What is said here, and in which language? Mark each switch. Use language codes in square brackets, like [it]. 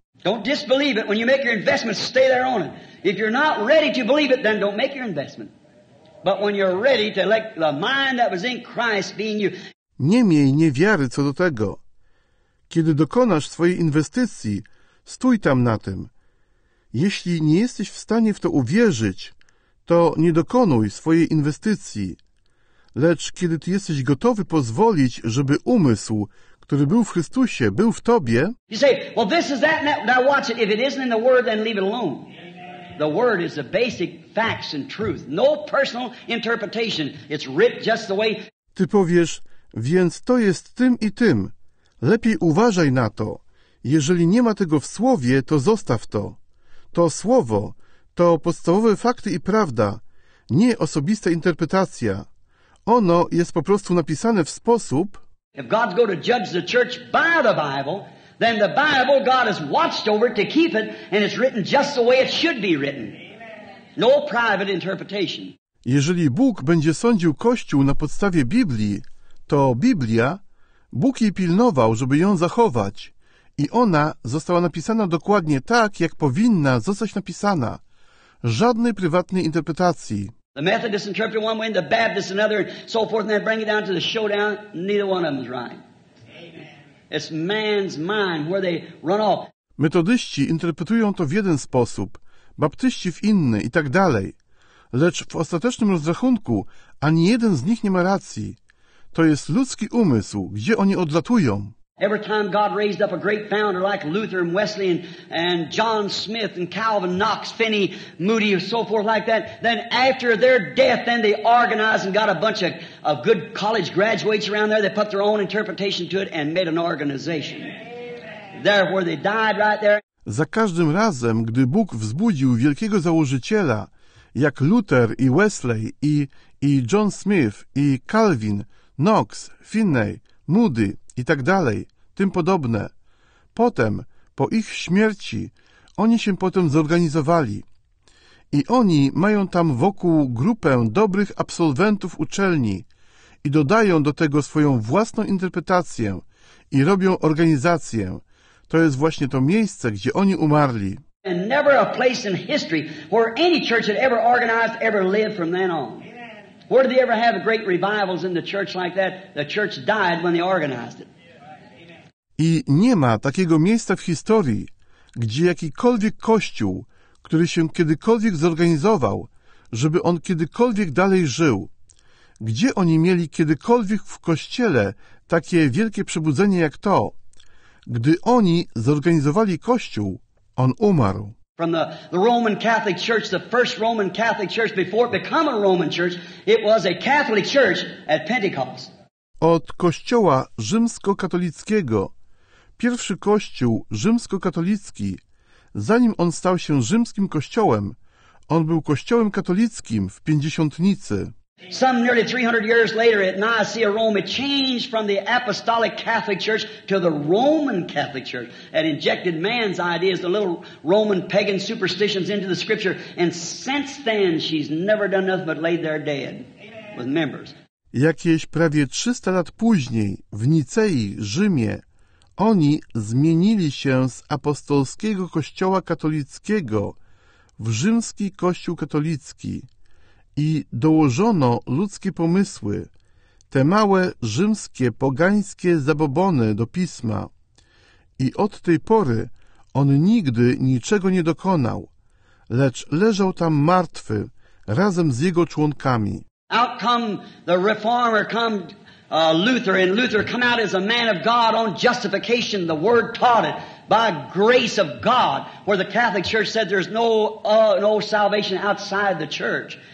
[en] Don't disbelieve it when you make your investment, stay there on it. If you're not ready to believe it, then don't make your investment. But when you're ready to let the mind that was in Christ be in you. [pl] Nie miej niewiary co do tego. Kiedy dokonasz swojej inwestycji, stój tam na tym. Jeśli nie jesteś w stanie w to uwierzyć, to nie dokonuj swojej inwestycji. Lecz kiedy ty jesteś gotowy pozwolić, żeby umysł, który był w Chrystusie, był w tobie. [en] You say, well, this is that. Now watch it. If it isn't in the Word, then leave it alone. The word is the basic facts and truth. No personal interpretation. It's written just the way. [pl] Ty powiesz, więc to jest tym i tym. Lepiej uważaj na to. Jeżeli nie ma tego w słowie, to zostaw to. To słowo, to podstawowe fakty i prawda, nie osobista interpretacja. Ono jest po prostu napisane w sposób. [en] If God's going to judge the church by the Bible, then the Bible, God has watched over to keep it, and it's written just the way it should be written. No private interpretation. [pl] Jeżeli Bóg będzie sądził Kościół na podstawie Biblii, to Biblia, Bóg jej pilnował, żeby ją zachować. I ona została napisana dokładnie tak, jak powinna zostać napisana. Żadnej prywatnej interpretacji. [en] The Methodist interpreted one way, the Baptist another, and so forth, and then bring it down to the showdown, neither one of them is right. It's man's mind where they run off. [pl] Metodyści interpretują to w jeden sposób, baptyści w inny i tak dalej. Lecz w ostatecznym rozrachunku ani jeden z nich nie ma racji. To jest ludzki umysł, gdzie oni odlatują. [en] Every time God raised up a great founder like Luther and Wesley and John Smith and Calvin, Knox, Finney, Moody and so forth like that, then after their death, then they organized and got a bunch of good college graduates around there. They put their own interpretation to it and made an organization. There where they died right there. [pl] Za każdym razem, gdy Bóg wzbudził wielkiego założyciela, jak Luther i Wesley i John Smith i Calvin, Knox, Finney, Moody i tak dalej, tym podobne. Potem, po ich śmierci, oni się potem zorganizowali. I oni mają tam wokół grupę dobrych absolwentów uczelni i dodają do tego swoją własną interpretację i robią organizację. To jest właśnie to miejsce, gdzie oni umarli. [en] And never a place in history where any church had ever organized, ever lived from then on. Where did they ever have great revivals in the church like that? The church died when they organized it. [pl] I nie ma takiego miejsca w historii, gdzie jakikolwiek kościół, który się kiedykolwiek zorganizował, żeby on kiedykolwiek dalej żył. Gdzie oni mieli kiedykolwiek w kościele takie wielkie przebudzenie jak to? Gdy oni zorganizowali kościół, on umarł. [en] From the Roman Catholic Church, the first Roman Catholic Church, before it became a Roman Church, it was a Catholic Church at Pentecost. [pl] Od kościoła rzymskokatolickiego, pierwszy kościół rzymskokatolicki, zanim on stał się rzymskim kościołem, on był kościołem katolickim w Pięćdziesiątnicy. [en] Some nearly 300 years later at Nicaea, Rome, it changed from the apostolic Catholic Church to the Roman Catholic Church and injected man's ideas, the little Roman pagan superstitions into the scripture. And since then, she's never done nothing but laid there dead with members. [pl] Jakieś prawie 300 lat później w Nicei, Rzymie, oni zmienili się z apostolskiego kościoła katolickiego w rzymski kościół katolicki. I dołożono ludzkie pomysły, te małe rzymskie, pogańskie zabobony do pisma. I od tej pory on nigdy niczego nie dokonał, lecz leżał tam martwy razem z jego członkami. [en] Out come the reformer, come Luther, and Luther come out as a man of God on justification, the word taught it. By grace of God, where the Catholic Church said there's no salvation outside the church.